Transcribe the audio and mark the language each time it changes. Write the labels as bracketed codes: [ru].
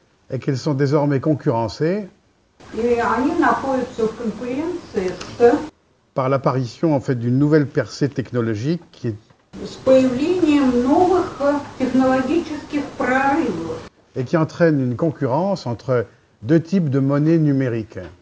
[fr] Et qu'elles sont désormais concurrencées. [ru] И они находятся в конкуренции с [fr] par l'apparition en fait d'une nouvelle percée technologique qui est [ru] с появлением новых технологических прорывов. [fr] Et qui entraîne une concurrence entre deux types de monnaie numérique.